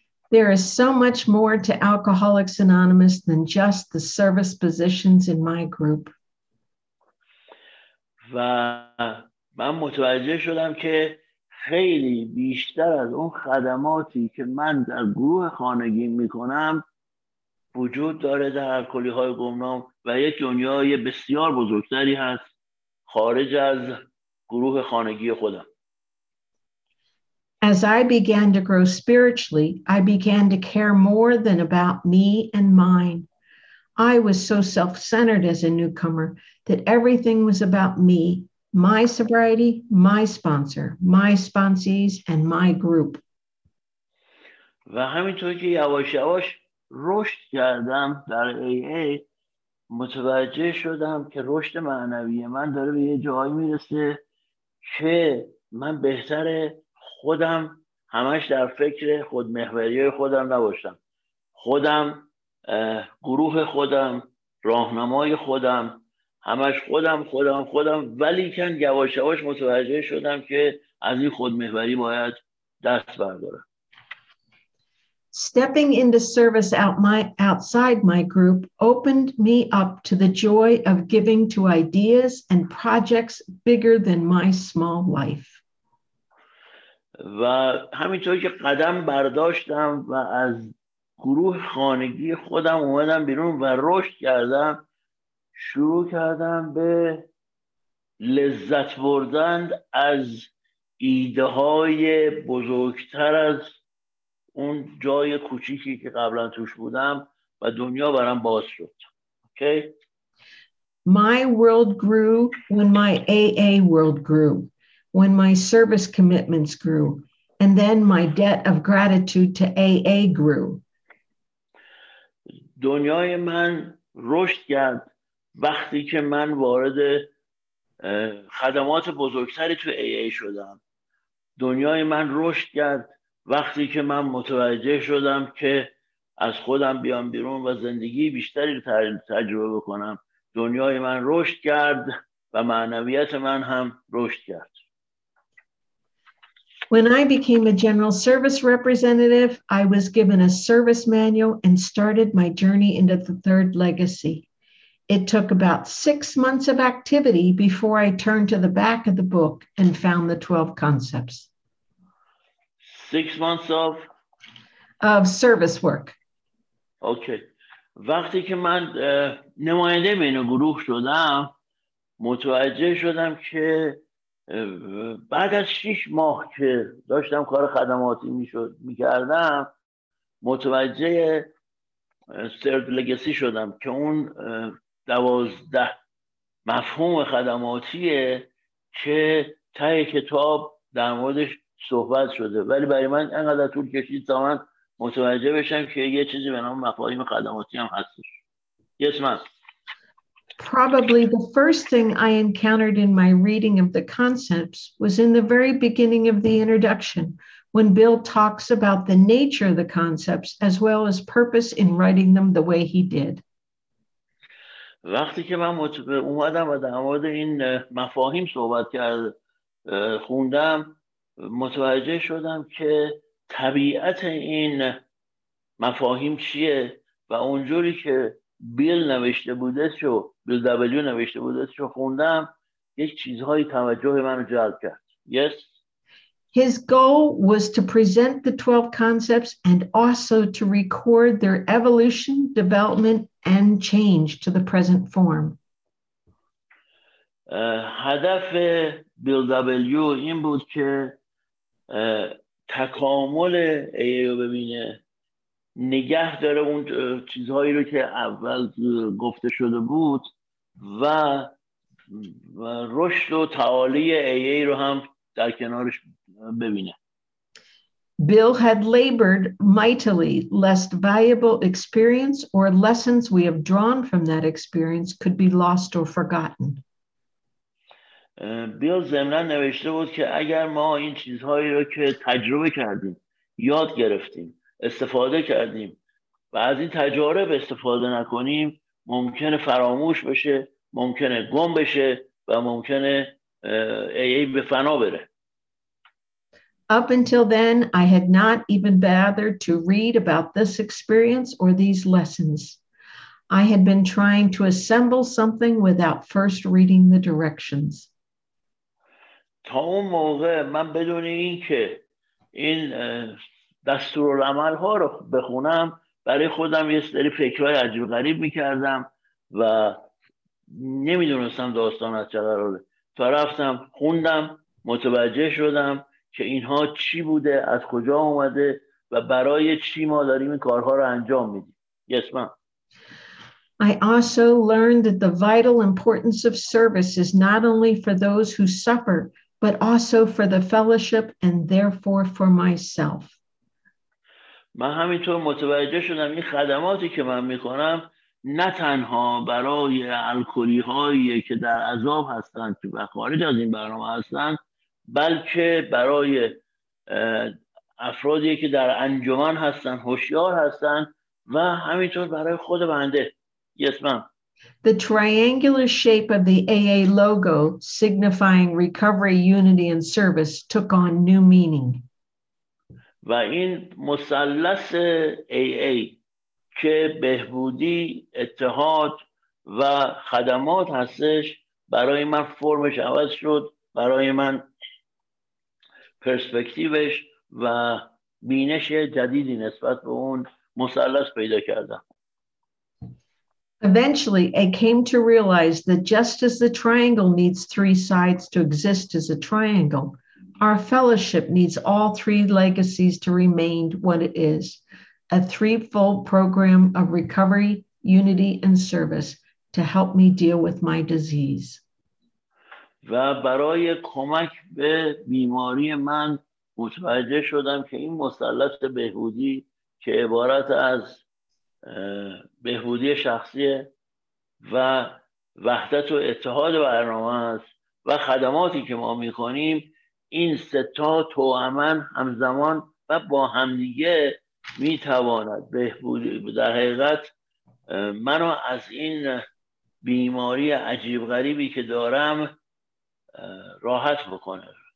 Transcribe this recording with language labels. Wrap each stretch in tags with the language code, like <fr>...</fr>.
<en>There is so much more to Alcoholics Anonymous than just the service positions in my group.</en> <fa>و من متوجه شدم که خیلی بیشتر از اون خدماتی که من در گروه خانگی میکنم وجود داره در الکلی های گمنام و یک دنیای بسیار بزرگتری هست خارج از گروه خانگی خودم.</fa> <en>As I began to grow spiritually, I began to care more than about me and mine. I was so self-centered as a newcomer that everything was about me, my sobriety, my sponsor, my sponsees, and my group.</en> <fa>و همینطور که یواش یواش رشد کردم در AA متوجه شدم که رشد معنوی من داره به یه جایی میرسه که من بهتره خودم همش در فکر خودمحوری خودم نباشم. خودم، گروه خودم، راهنمای خودم، همش خودم، خودم، خودم. ولی کن یواش یواش متوجه شدم که از این خودمحوری باید دست بردارم.</fa> <en>Stepping into service outside my group opened me up to the joy of giving to ideas and projects bigger than my small life.</en> <fa>و همینطور که قدم برداشتم و از گروه خانگی خودم اومدم بیرون و رشد کردم شروع کردم به لذت بردن از ایده های بزرگتر از اون جای کوچیکی که قبلا توش بودم و دنیا برام باز شد.</fa> <en>Okay? My world grew when my AA world grew. When my service commitments grew, and then my debt of gratitude to AA grew.</en> <fa>دنیای من رشد کرد وقتی که من وارد خدمات بزرگتری تو AA شدم. دنیای من رشد کرد وقتی که من متوجه شدم که از خودم بیام بیرون و زندگی بیشتری تجربه بکنم. دنیای من رشد کرد و معنویت من هم رشد کرد.</fa> <en>When I became a general service representative, I was given a service manual and started my journey into the third legacy. It took about 6 months of activity before I turned to the back of the book and found the 12 concepts. 6 months of? Of service work. Okay.</en> <fa>وقتی که من نماینده بین گروه شدم، متوجه شدم که بعد از 6 ماه که داشتم کار خدماتی می کردم متوجه سرد لگسی شدم که اون 12 مفهوم خدماتیه که ته کتاب در موردش صحبت شده، ولی برای من انقدر طول کشید تا من متوجه بشم که یه چیزی به نام مفاهیم خدماتی هم هستش.</fa> <en>Yes, ma'am. Probably the first thing I encountered in my reading of the concepts was in the very beginning of the introduction, when Bill talks about the nature of the concepts as well as purpose in writing them the way he did.</en> <fa>وقتی که من اومدم و در مورد این مفاهیم صحبت خوندم، متوجه شدم که طبیعت این مفاهیم چیه و اونجوری که بیل نوشته بوده شو، بیل دبلیو نوشته بوده شو خوندم، یک چیزهایی توجه منو جلب کرد.</fa> <en>Yes. His goal was to present the 12 concepts and also to record their evolution, development and change to the present form.</en> <fa>هدف بیل دبلیو این بود که تکامل ایو ببینه، نگه داره اون چیزهایی رو که اول گفته شده بود و رشد و تعالی ای رو هم در کنارش ببینه.</fa> <en>Bill had labored mightily lest valuable experience or lessons we have drawn from that experience could be lost or forgotten.</en> <fa>بیل ضمناً نوشته بود که اگر ما این چیزهایی رو که تجربه کردیم، یاد گرفتیم، استفاده کردیم و از این تجارب استفاده نکنیم، ممکنه فراموش بشه، ممکنه گم بشه و ممکنه ای به فنا بره.</fa> <en>Up until then I had not even bothered to read about this experience or these lessons. I had been trying to assemble something without first reading the directions.</en> <fa>تا اون موقع من بدون این که این دستورالعمل ها رو بخونم، برای خودم یه سری فکرهای عجیب غریب میکردم و نمیدونستم داستان از چه قراره. تا رفتم خوندم، متوجه شدم که اینها چی بوده، از کجا اومده و برای چی ما داریم این کارها رو انجام میدیم.</fa> <en>Yes, ma'am. I also learned that the vital importance of service is not only for those who suffer, but also for the fellowship and therefore for myself.</en> <fa>من همینطور متوجه شدم این خدماتی که من میکنم نه تنها برای الکلی هایی که در عذاب هستن و خارج از این برنامه هستن، بلکه برای افرادی که در انجمن هستن، هوشیار هستن و همینطور برای خود بنده.</fa> <en>Yes, ma'am. The triangular shape of the AA logo signifying recovery, unity and service took on new meaning.</en> <fa>و این مثلث AA که بهبودی، اتحاد و خدمات هستش، برای من فرمش عوض شد، برای من پرسپکتیوش و بینش جدیدی نسبت به اون مثلث پیدا کردم.</fa> <en>Eventually, I came to realize that just as the triangle needs three sides to exist as a triangle, our fellowship needs all three legacies to remain what it is, a threefold program of recovery, unity, and service to help me deal with my disease.</en> <fa>و برای کمک به بیماری من متوجه شدم که این مثلث بهبودی که عبارت از بهبودی شخصی و وحدت و اتحاد برنامه است و خدماتی که ما می‌کنیم، این سه تا توأمن همزمان و با همدیگه می‌تواند بهبودی در حقیقت منو از این بیماری عجیب غریبی که دارم راحت بکنه.</fa>